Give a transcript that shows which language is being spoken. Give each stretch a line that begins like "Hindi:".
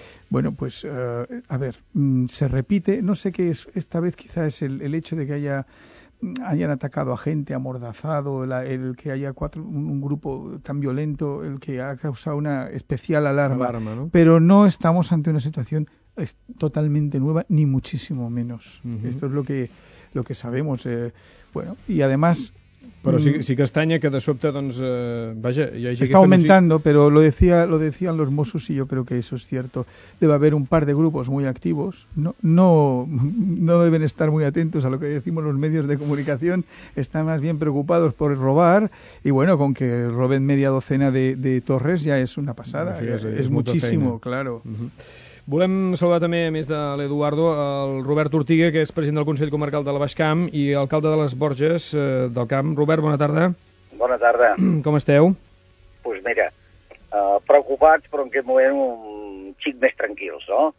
Spanish: Bueno, pues, a ver, se repite, no sé qué es, esta vez quizá es el hecho de que hayan atacado a gente, amordazado, el que haya un grupo tan violento, el que ha causado una especial alarma, ¿no? Pero no estamos ante una situación totalmente nueva, ni muchísimo menos. Uh-huh. Esto es lo que sabemos. Bueno, y además...
Catalan: Però sí que estranya que de sobte, doncs, vaja... Hi hagi
Spanish: Está aumentando, pero lo decían los Mossos y yo creo que eso es cierto. Debe haber un par de grupos muy activos. No deben estar muy atentos a lo que decimos los medios de comunicación. Están más bien preocupados por robar. Y bueno, con que roben media docena de torres ya es una pasada. Sí, es muchísimo, claro. Uh-huh.
Catalan: Volem saludar també, a més de l'Eduardo, el Robert Ortiga, que és president del Consell Comarcal de la Baix Camp i alcalde de les Borges del Camp. Robert, bona tarda. Bona tarda. Com esteu? Pues mira, preocupats, però en aquest moment un xic més tranquils, no?